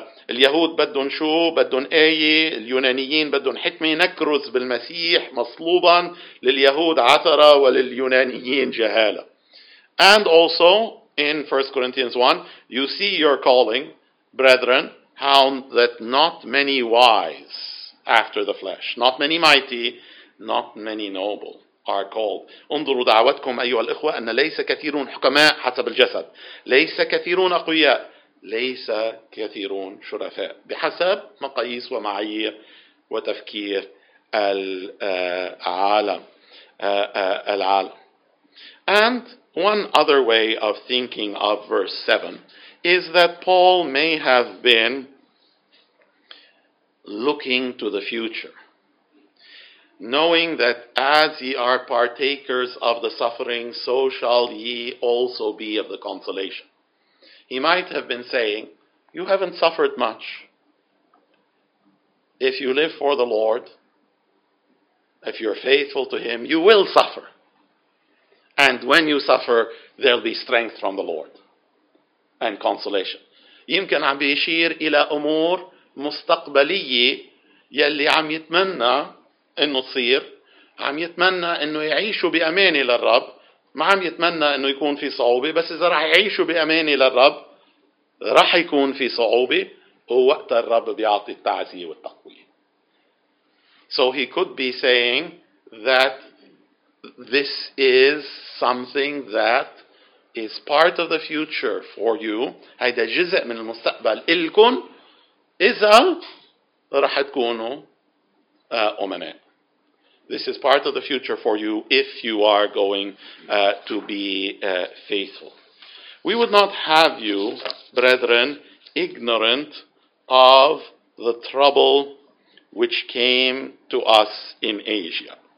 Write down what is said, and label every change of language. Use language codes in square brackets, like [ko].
[ar] اليهود بدون شو بدون آية اليونانيين بدون حكمة نكرز بالمسيح مصلوبا لليهود عثرة ولليونانيين جهالة. [en] And also in 1 Corinthians 1, you see your calling, brethren, how that not many wise after the flesh, not many mighty, not many noble are called. [ar] انظروا دعوتكم أيها الإخوة أن ليس كثيرون حكماء حسب الجسد ليس كثيرون أقوياء ليس كثيرون شرفاء بحسب مقاييس ومعايير وتفكير العالم العالم. [en] And one other way of thinking of verse 7 is that Paul may have been looking to the future, knowing that as ye are partakers of the suffering, so shall ye also be of the consolation. He might have been saying, you haven't suffered much. If you live for the Lord, if you're faithful to Him, you will suffer. And when you suffer, there'll be strength from the Lord and consolation. [ar] يمكن عم بيشير إلى أمور مستقبلية يلي عم يتمنى إنه تصير عم يتمنى إنه يعيشوا بأمانة للرب ما عم يتمنى إنه يكون في صعوبة بس إذا رح يعيشوا بأمانة للرب رح يكون في صعوبة هو وقت الرب بيعطي التعزية والتقوية. [en] So he could be saying that this is something that is part of the future for you. [ar] هيدا جزء من المستقبل إلكن إذا رح تكونوا أمناء. [en] This is part of the future for you if you are going to be faithful. We would not have you, brethren, ignorant of the trouble which came to us in Asia.